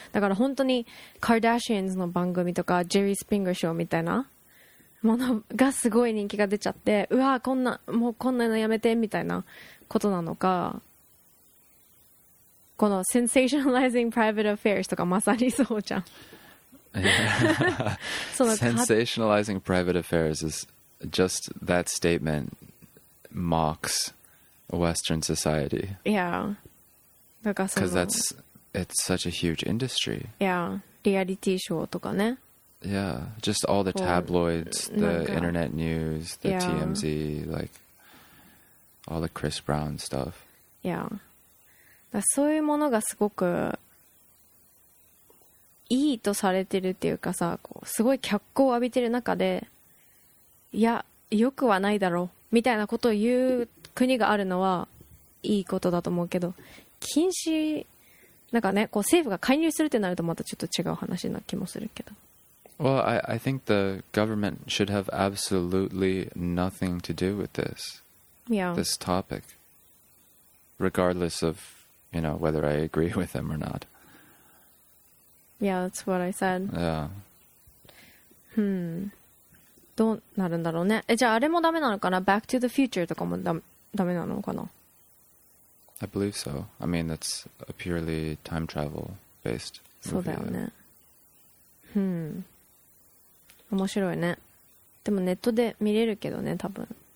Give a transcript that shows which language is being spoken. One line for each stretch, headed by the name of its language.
Japanese: だから本当にカーダシアンズの番組とかジェリー・スプリンガーショーみたいなものがすごい人気が出ちゃって、うわこんなもうこんなのやめてみたいなことなのか。このセンセーショナライズングプライベートアフェアスとかまさにそうじゃん。
English: Yeah. Sensationalizing private affairs is just that statement mocks Western society. Yeah. Because it's such a huge industry. Yeah. Reality show
Japanese: とかね.
English: Yeah. Just all the tabloids, the internet news, the TMZ, like all the Chris Brown stuff. Yeah.
Japanese: だそういうものがすごくいいとされてるっていうかさ、こうすごい脚光を浴びてる中で、いや、よくはないだろうみたいなことを言う国があるのはいいことだと思うけど、禁止、なんかね、こう政府が介入するってなるとまたちょっと違う話な気もするけど。
English: Well, I think the government should have absolutely nothing to do with this. Yeah. This topic. Regardless of, you know, whether I agree with them or not. Yeah, that's what I said. Yeah.
Japanese: どうなるんだろうね。え、じゃああれもダメなのかな？ Back to the Future とかもダメなのかな？
English: I believe so. I mean, that's a purely time travel based movie.
Japanese: そうだよね。面白いね。でもネットで見れるけどね、多分。